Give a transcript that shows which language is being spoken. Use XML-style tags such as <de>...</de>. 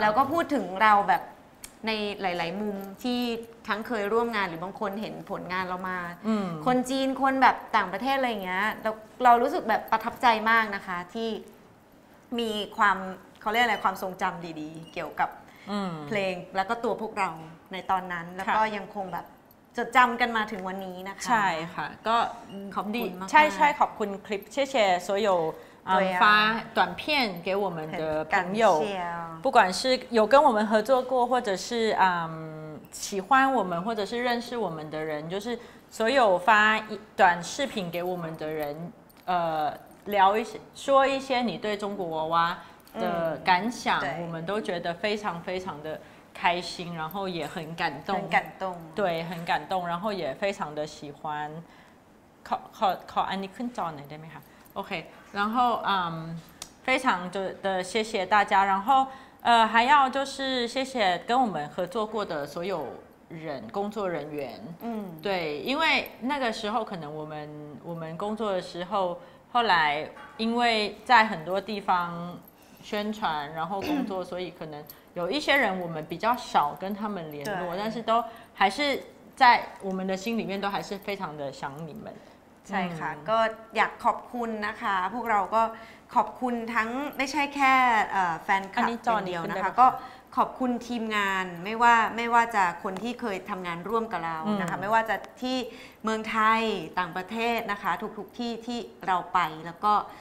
<th>แล้วก็พูดถึงเราแบบในหลายๆมุมที่ทั้งเคยร่วมงานหรือบางคนเห็นผลงานเรามาคนจีนคนแบบต่างประเทศอะไรอย่างเงี้ยเรารู้สึกแบบประทับใจมากนะคะที่มีความเขาเรียกอะไรความทรงจำดีๆเกี่ยวกับเพลงแล้วก็ตัวพวกเราในตอนนั้นแล้วก็ยังคงแบบจดจำกันมาถึงวันนี้นะคะ ใช่ค่ะก็ขอบคุณมาก ใช่ๆขอบคุณคลิปแชร์</th> <zh>所有发短片给我们的朋友不管是有跟我们合作过或者是喜欢我们或者是认识我们的人就是所有发短视频给我们的人聊一些说一些你对中国娃娃的感想我们都觉得非常非常的开心然后也很感动很感动对很感动然后也非常的喜欢靠安妮坤照你对没哈 OK 然后非常的谢谢大家然后还要就是谢谢跟我们合作过的所有人工作人员对因为那个时候可能我们工作的时候后来因为在很多地方宣传然后工作所以可能有一些人我们比较少跟他们联络但是都还是在我们的心里面都还是非常的想你们</zh> <th>ใช่ค่ะก็อยากขอบคุณนะคะพวกเราก็ขอบคุณทั้งไม่ใช่แค่แฟนคลับเพียงเดียวนะคะก็ขอบคุณทีมงานไม่ว่าจะคนที่เคยทำงานร่วมกับเรานะคะไม่ว่าจะที่เมืองไทยต่างประเทศนะคะทุกที่ที่เราไปแล้วก็</th>